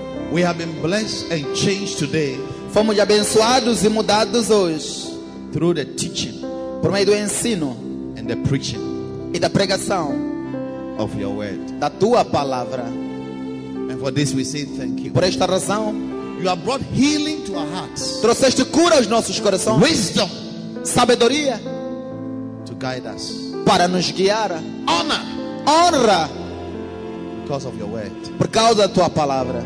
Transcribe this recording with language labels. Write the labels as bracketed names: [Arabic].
[English] We have been blessed and changed today. [Portuguese] Fomos abençoados e mudados hoje. [English] Through the teaching. [Portuguese] Por meio do ensino. [English] And the preaching. [Portuguese] E da pregação. [English] Of your word. [Portuguese] Da tua palavra. [English] And for this we say thank you. [Portuguese] Por esta razão. [English] You have brought healing to our hearts. [Portuguese] Trouxeste cura aos nossos corações. [English] Wisdom. [Portuguese] Sabedoria. [English] To guide us. [Portuguese] Para nos guiar. [English] Honor. [Portuguese] Honra. [English] Because of your word. [Portuguese] Por causa da tua palavra.